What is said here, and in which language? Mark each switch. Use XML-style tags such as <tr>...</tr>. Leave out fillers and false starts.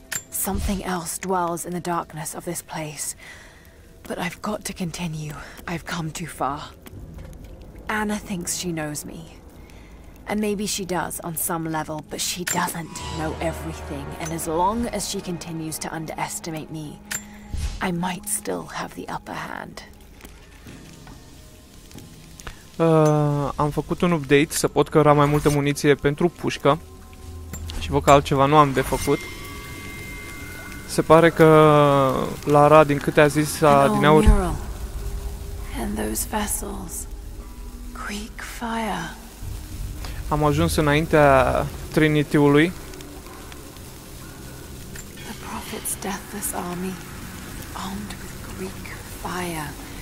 <en>Something else dwells in the darkness of this place. But I've got to continue. I've come too far. Anna thinks she knows me. And maybe she does on some level, but she doesn't know everything. And as long as she continues to underestimate me, I might still have the upper hand.</en> <ro>Am făcut un update să pot căra mai multă muniție pentru pușcă. Și văd că altceva nu am de făcut. Se pare că Lara, din câte a zis, din aur.</ro> <en>And those vessels. Quick fire.</en> <ro>Am ajuns înaintea Trinity-ului.</ro> <en>The Prophet's deathless army, armed with Greek fire.</en>